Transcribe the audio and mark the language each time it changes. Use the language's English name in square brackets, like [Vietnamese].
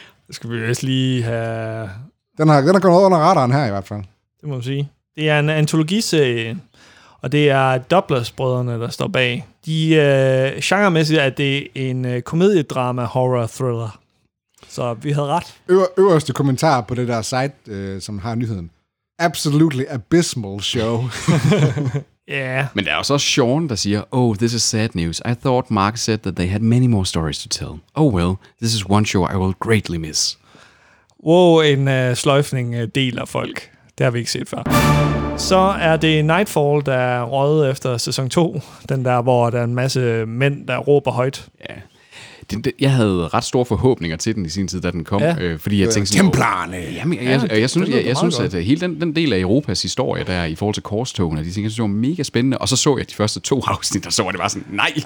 [Danish] Skal vi også lige have... Den har gået under radaren her i hvert fald. Det må man sige. Det er en antologiserie, og det er Dublas-brødrene, der står bag. De genremæssigt er det en komediedrama-horror-thriller. Så vi havde ret. Øverste kommentar på det der site, som har nyheden. [English] Absolutely abysmal show. [Danish] Ja. [English] Yeah. [Danish] Men der er også Sean, der siger, [English] oh, this is sad news. I thought Mark said that they had many more stories to tell. Oh well, this is one show I will greatly miss. [Danish] Wow, en sløjfning deler folk. Det har vi ikke set før. Så er det Nightfall, der er røget efter sæson 2. Den der, hvor der er en masse mænd, der råber højt. Ja. [English] Yeah. [Danish] Jeg havde ret store forhåbninger til den i sin tid, da den kom, ja. Fordi jeg tænkte... Templarne! Jeg synes, at hele den del af Europas historie, der i forhold til korstogene, de ting, jeg synes, det var mega spændende, og så jeg de første to afsnit, der så, og det var sådan, nej!